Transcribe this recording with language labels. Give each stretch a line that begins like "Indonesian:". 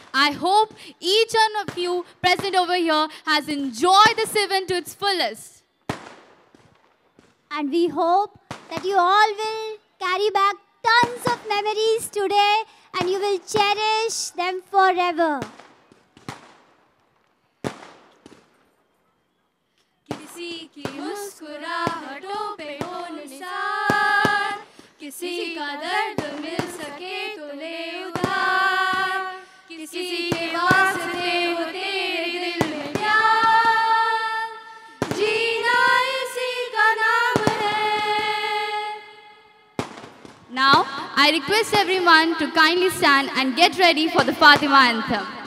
English: I hope each one of you present over here has enjoyed this event to its fullest. And we hope that you all will carry back tons of memories today and you will cherish them forever.
Hindi: मुस्कुराहटों पे हो निसार किसी का दर्द मिल सके तो ले उधार किसी के वास्ते हो तेरे दिल में प्यार जीना इसी का नाम है
English: Now I request everyone to kindly stand and get ready for the Fatima anthem